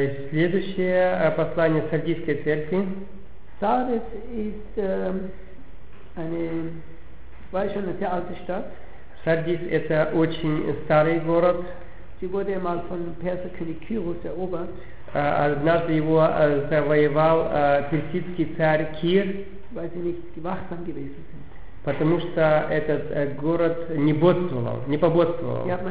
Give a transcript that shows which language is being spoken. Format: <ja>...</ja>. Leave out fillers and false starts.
<ru>Следующее послание Сардийской церкви.</ru> <de>Сардис ist eine weiß schon eine sehr alte Stadt.</de> <ru>Сардис это очень старый город.</ru> <de>Sie wurde mal von Perser König Kyros erobert.</de> <ru>Однажды его завоевал персидский царь Кир.</ru> <de>weil sie nicht wachsam gewesen sind.</de> <ru>Потому что этот город не бодствовал, не пободствовал.</ru>